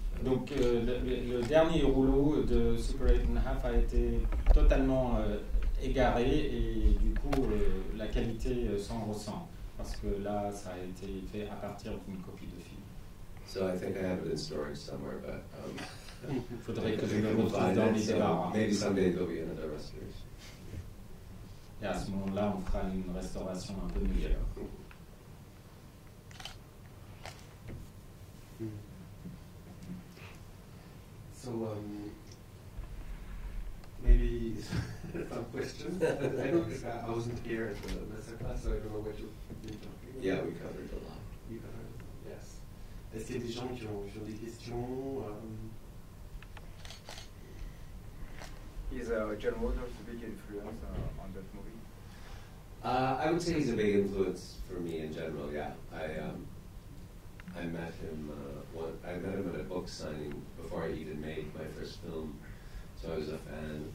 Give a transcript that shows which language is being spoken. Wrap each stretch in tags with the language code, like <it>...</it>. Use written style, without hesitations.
<fr>Donc le dernier rouleau de Super 8.5 a été totalement égaré, et du coup la qualité s'en ressent, parce que là ça a été fait à partir d'une copie de film.</fr> <en>So I think I have it in storage somewhere, but</en> <fr>faudrait que je le retrouve dans mes tiroirs.</fr> <en>Maybe someday there'll be another restoration.</en> <fr>Et à ce moment-là, on fera une restauration un peu meilleure.</fr> <en>So, maybe some questions. I know I wasn't here at the masterclass, so I don't know what you've been talking about. Yeah, we covered a lot. You covered, yes.</en> <fr>Est-ce qu'il y a des gens qui ont des questions?</fr> <en>Is John Waters a big influence on that movie? I would say he's a big influence for me in general. Yeah, I met him. I met him at a book signing before I even made my first film, so I was a fan.</en>